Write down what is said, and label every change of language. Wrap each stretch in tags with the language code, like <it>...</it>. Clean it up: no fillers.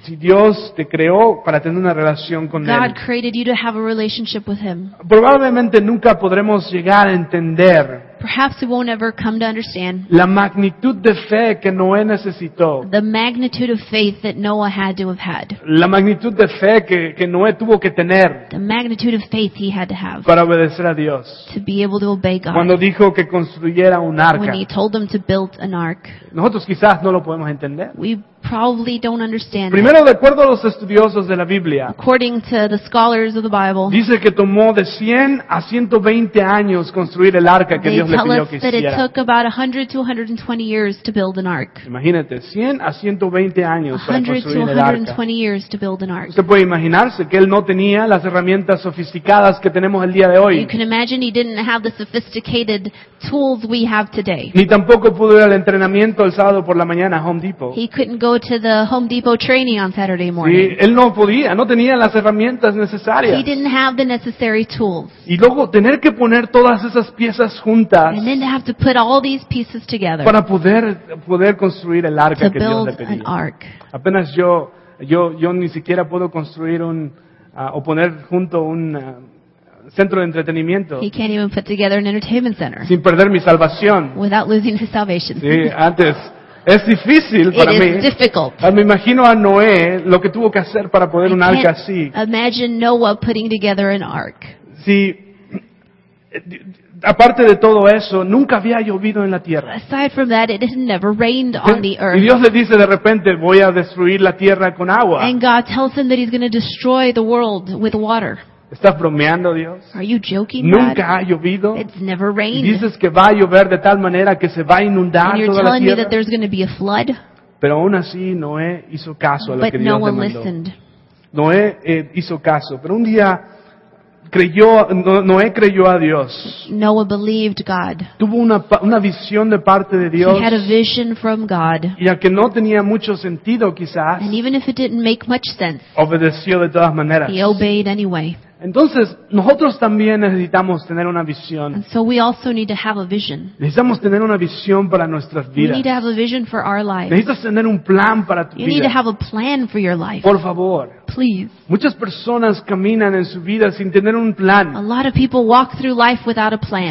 <es>Si Dios te creó para tener una relación con</es> <en>God God created you to have a relationship with him.</en> <es>Probablemente nunca podremos llegar a entender.</es> <en>Perhaps we won't ever come to understand.</en> <es>La magnitud de fe que Noé necesitó.</es> <en>The magnitude of faith that Noah had to have had.</en> <es>La magnitud de fe que Noé tuvo que tener.</es> <en>The magnitude of faith he had to have.</en> <es>Para obedecer a Dios.</es> <en>To be able to obey God.</en> <es>Cuando dijo que construyera un arca.</es> <en>When he told them to build an ark.</en> <es>Nosotros quizás no lo podemos entender.</es> <en>We probably don't understand.</en> <es>Primero, de acuerdo a los estudiosos de la Biblia,</es> <en>according to the scholars of the Bible,</en> <es>dice que tomó de 100 a 120 años construir el arca que Dios le pidió que hiciera.</es> <en>They tell us that it took about 100 to 120 years to build an ark.</en> <es>Imagínate, 100 a 120 años para construir el arca.</es> <en>100 to 120 years to build an ark.</en> <es>Usted puede imaginarse que él no tenía las herramientas sofisticadas que tenemos el día de hoy.</es> <en>You can imagine he didn't have the sophisticated tools we have today.</en> <es>Ni tampoco pudo ir al entrenamiento el sábado por la mañana a Home Depot.</es> <en>He couldn't go to the Home Depot training on Saturday morning.</en> <es>Sí, él no podía, no tenía las herramientas necesarias.</es> <en>He didn't have the necessary tools.</en> <es>Y luego tener que poner todas esas piezas juntas.</es> <en>And then to have to put all these pieces together.</en> <es>Para poder construir el arca que Dios le pedía.</es> <en>To build an ark.</en> <es>Apenas yo ni siquiera puedo construir un o poner junto un centro de entretenimiento.</es> <en>He can't even put together an entertainment center.</en> <es>Sin perder mi salvación.</es> <en>Without losing his salvation.</en> <es>Sí, antes. Es difícil para mí.</es> <en>It is difficult.</en> <es>Me imagino a Noé lo que tuvo que hacer para poder un arca así.</es> <en>Imagine Noah putting together an ark.</en> <es>Sí. Aparte de todo eso, nunca había llovido en la tierra.</es> <en>Aside from that, it had never rained on the earth.</en> <es>Y Dios le dice de repente, voy a destruir la tierra con agua.</es> <en>And God tells him that he's going to destroy the world with water.</en> <es>¿Estás bromeando, Dios?</es> <en>Are you joking,</en> <es>nunca ha llovido.</es> <en>It's never rained.</en> <es>Y dices que va a llover de tal manera que se va a inundar toda la tierra.</es> <en>And you're telling me that there's going to be a flood?</en> <es>Pero aún así, Noé hizo caso a lo</es> <en>but</en> <es>que Dios no le mandó.</es> <en>Listened.</en> <es>Noé hizo caso, pero un día creyó, Noé creyó a Dios.</es> <en>Noah believed God.</en> <es>Tuvo una visión de parte de Dios.</es> <en>He had a vision from God.</en> <es>Y aunque no tenía mucho sentido, quizás.</es> <en>And even if it didn't make much sense.</en> <es>Obedeció de todas maneras.</es> <en>He obeyed anyway.</en> <es>Entonces, nosotros también necesitamos tener una visión.</es> <en>And so we also need to have a vision.</en> <es>Necesitamos tener una visión para nuestras vidas.</es> <en>We need to have a vision for our lives.</en> <es>Necesitas tener un plan para tu</es> <en>you</en> <es>vida.</es> <en>Need to have a plan for your life.</en> <es>Por favor.</es> <en>Please.</en> <es>Muchas personas caminan en su vida sin tener un plan.</es> <en>A lot of people walk through life without a plan.</en>